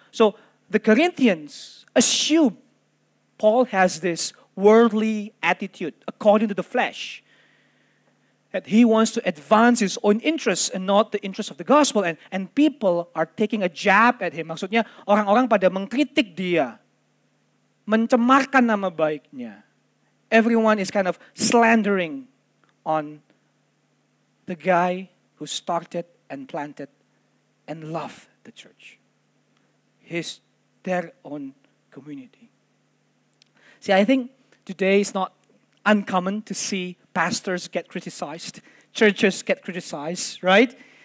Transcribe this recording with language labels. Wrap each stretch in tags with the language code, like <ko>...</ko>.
<en>So the Corinthians assume Paul has this worldly attitude according to the flesh. That he wants to advance his own interests and not the interests of the gospel. And people are taking a jab at him.</en> <id>Maksudnya, orang-orang pada mengkritik dia. Mencemarkan nama baiknya.</id> <en>Everyone is kind of slandering on the guy who started and planted and loved the church. His, their own community. See, I think today is not uncommon to see pastors get criticized, churches get criticized, right?</en>